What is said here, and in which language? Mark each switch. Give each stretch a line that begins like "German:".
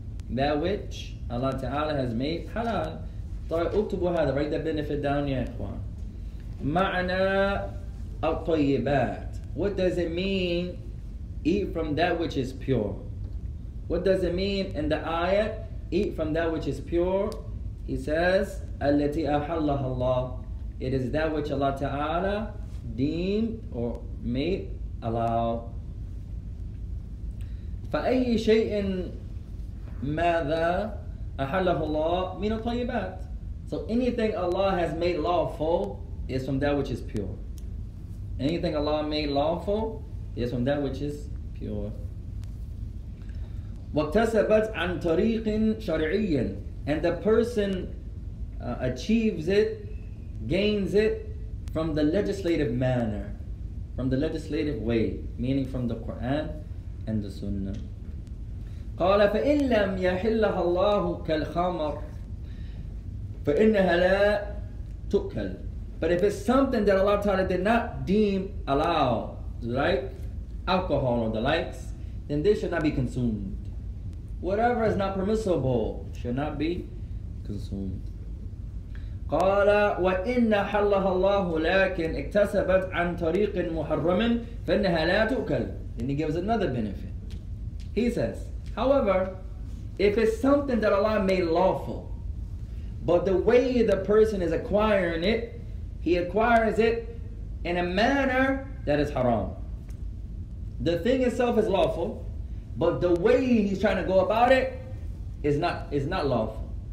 English: That which Allah Ta'ala has made halal.
Arabic: اكتبوا هذا,
English: write that benefit down,
Arabic: يا إخوان. معنى الطيبات.
English: What does it mean, eat from that which is pure? What does it mean in the ayah, eat from that which is pure? He says,
Arabic: التي أحلها الله.
English: It is that which Allah Ta'ala deemed or made allow.
Arabic: فأي شيء ماذا أحله الله من الطيبات.
English: So anything Allah has made lawful is from that which is pure. Anything Allah made lawful is from that which is pure.
Arabic: واكتسبت عن طريق شرعي.
English: And the person achieves it, gains it from the legislative manner, from the legislative way, meaning from the Quran and the Sunnah.
Arabic: قال فإن لم يحلها الله كالخمر فإنها لا تؤكل.
English: But if it's something that Allah Ta'ala did not deem allow, right, alcohol or the likes, then this should not be consumed. Whatever is not permissible should not be consumed.
Arabic: قال وإن حلها الله لكن اكتسبت عن طريق محرم فإنها لا تؤكل.
English: Then he gives another benefit. He says, however, if it's something that Allah made lawful, but the way the person is acquiring it, he acquires it in a manner that is haram. The thing itself is lawful, but the way he's trying to go about it is not lawful.